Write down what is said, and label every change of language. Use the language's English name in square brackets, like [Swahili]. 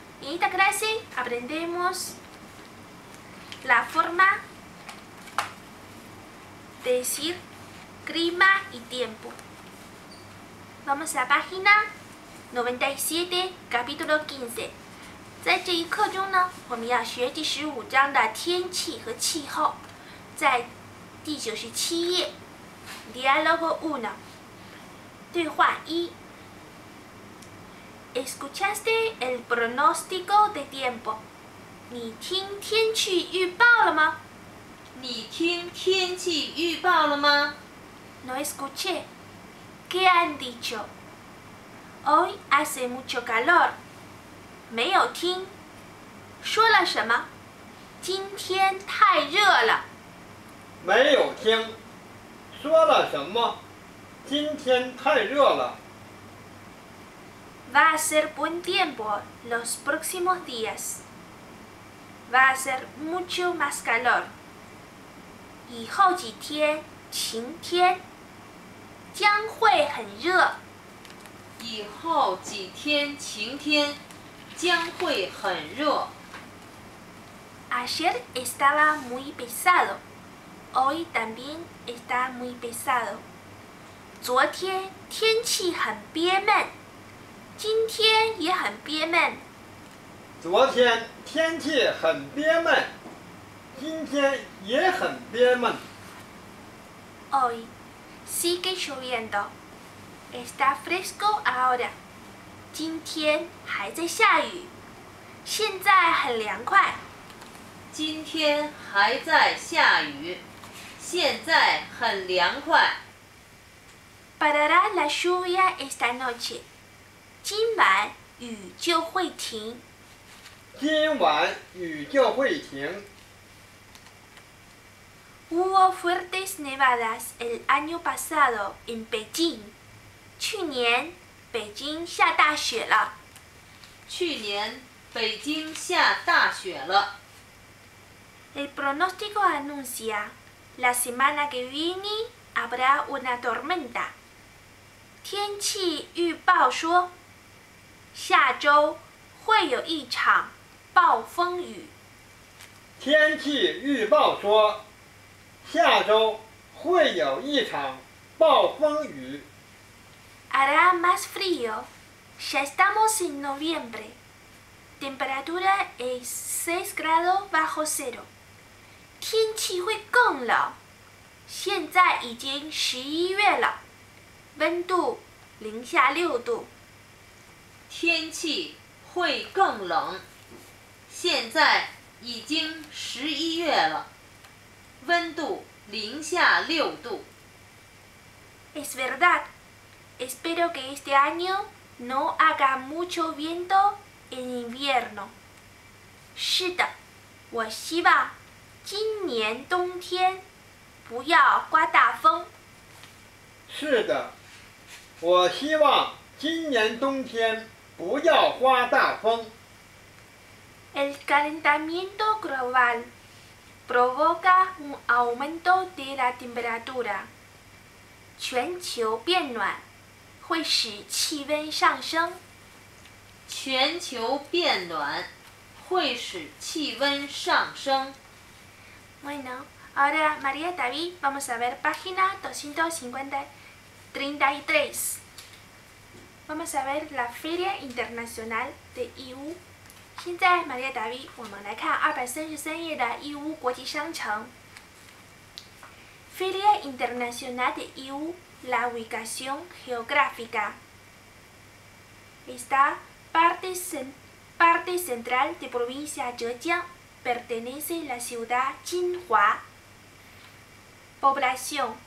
[Spanish] En esta clase aprendemos la forma de decir clima y tiempo. Vamos a la página 97, capítulo 15. [Chinese] 在这一课中呢，我们要学第十五章的天气和气候。在第九十七页 ， [Spanish] Diálogo 1, [Chinese] 对话一。 [Spanish] ¿Escuchaste el pronóstico de tiempo? [Chinese] 你听天气预报了吗？你听天气预报了吗 [Spanish] ？No escuché. ¿Qué han dicho? Hoy hace mucho calor. [Chinese] 没有听。说了什么？今天太热了。没有听。说了什么？今天太热了。 [Spanish] Va a ser buen tiempo los próximos días. Va a ser mucho más calor. [Chinese] 以后几天晴天。将会很热。以后几天晴天将会很热。 [Spanish] Ayer estaba muy pesado. Hoy también está muy pesado. [Chinese] 昨天天气很憋闷，今天也很憋闷。昨天天气很憋闷，今天也很憋闷。 [Spanish] Hoy sigue lloviendo. Está fresco ahora. [Chinese] 今天还在下雨，现在很凉快。今天还在下雨，现在很凉快。 [Spanish] Parará la lluvia esta noche. [Chinese] 今晚雨就会停。今晚雨就会停。 [Spanish] Hubo fuertes nevadas el año pasado en Beijing. [Chinese] 去年北京下大雪了。去年北京下大雪了。 [Spanish] El pronóstico anuncia, la semana que viene habrá una tormenta. [Chinese] 天气预报说，下周会有一场暴风雨。天气预报说，下周会有一场暴风雨。 [Spanish] Hará más frío. Ya estamos en noviembre. Temperatura es 6 grados bajo cero. [Chinese] 天气会更冷。现在已经11月了。温度零下6度。天气会更冷。现在已经11月了。温度零下6度。 [Spanish] Es verdad. Espero que este año no haga mucho viento en invierno. [Chinese] 是的，我希望今年冬天不要刮大风。是的，我希望今年冬天不要刮大风。 [Spanish] El calentamiento global provoca un aumento de la temperatura. [Chinese] 全球变暖。会使气温上升。全球变暖会使气温上升。 [Spanish] Bueno, ahora María David, vamos a ver página 253. Vamos a ver la Feria Internacional de IU. [Chinese] 现在 María David, 我们来看233页的 IU 国际商城。 [Spanish] Feria Internacional de IU. La ubicación geográfica. Esta parte central de provincia Zhejiang pertenece a la ciudad Jinhua. Población.